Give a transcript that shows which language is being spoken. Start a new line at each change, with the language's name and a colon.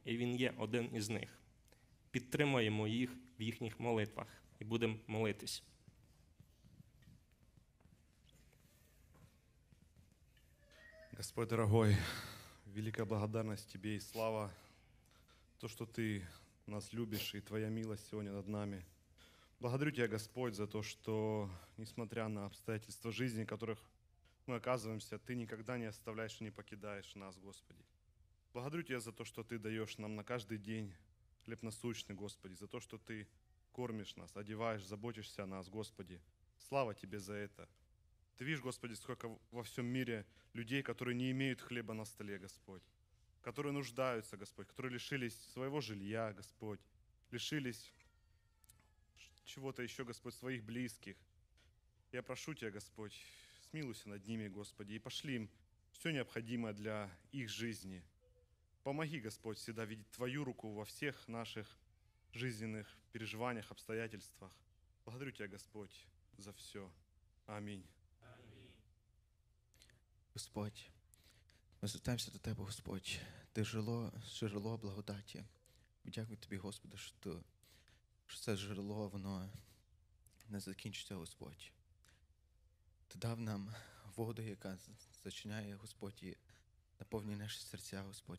Ukrainian: І він є один із них. Підтримуємо їх в їхніх молитвах. І будемо молитись. Господь дорогой, велика благодарність тобі і слава. То, що ти нас
Russian: любишь, и Твоя милость сегодня над нами. Благодарю Тебя, Господь, за то, что, несмотря на обстоятельства жизни, в которых мы оказываемся, Ты никогда не оставляешь и не покидаешь нас, Господи. Благодарю Тебя за то, что Ты даешь нам на каждый день хлеб насущный, Господи, за то, что Ты кормишь нас, одеваешь, заботишься о нас, Господи. Слава Тебе за это. Ты видишь, Господи, сколько во всем мире людей, которые не имеют хлеба на столе, Господь, которые нуждаются, Господь, которые лишились своего жилья, Господь, лишились чего-то еще, Господь, своих близких. Я прошу Тебя, Господь, смилуйся над ними, Господи, и пошли им все необходимое для их жизни. Помоги, Господь, всегда видеть Твою руку во всех наших жизненных переживаниях, обстоятельствах. Благодарю Тебя, Господь, за все. Аминь. Аминь.
Ukrainian: Господь, мы звертаемся до Тебя, Господь. Ти жило, джерело благодаті. Дякую тобі, Господи, що це джерело, воно не закінчиться, Господь. Ти дав нам воду, яка зачиняє, Господь, і наповнює наші серця, Господь.